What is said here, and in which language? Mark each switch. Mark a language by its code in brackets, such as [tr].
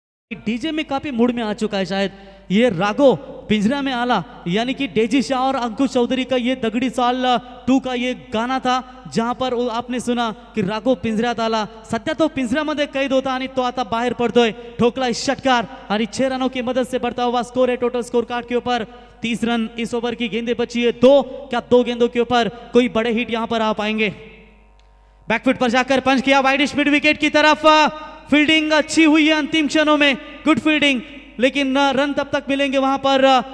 [hi] DJ में काफी mood में आ चुका है शायद, ये रागो पिंजरा में आला, यानी कि डेजी शाह और अंकुश चौधरी का ये दगड़ी साल 2 का ये गाना था, जहां पर आपने सुना कि रागो पिंजरात आला। [mr] सत्या तो पिंजरा मध्ये कैद होता आणि तो आता बाहेर पडतोय। ठोकला षटकार आणि [hi] 6 रनों की मदद से बढ़ता हुआ स्कोर है टोटल स्कोर कार्ड के ऊपर। 30 रन इस ओवर की गेंदे बची है, 2 गेंदों के ऊपर कोई बड़े हिट यहां पर आ पाएंगे। बैकफुट पर जाकर पंच किया वाइड स्पीड विकेट की तरफ, फील्डिंग अच्छी हुई है अंतिम क्षणों में, गुड फील्डिंग, लेकिन रन तब तक मिलेंगे वहां पर।